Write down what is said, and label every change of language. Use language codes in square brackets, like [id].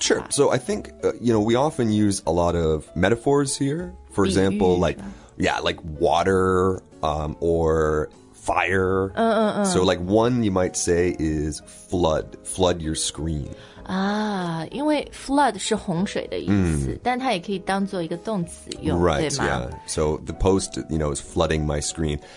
[en] Sure. So I think, you know, we often use a lot of metaphors here. For example, like... Yeah, like water, or fire. So like one you might say is flood. Flood your screen. [zh] 因为 flood 是洪水的意思、但它也可以当做一个动词用 [en] Right, [zh] 对吗 [en] yeah. So the post, you know, is flooding my screen.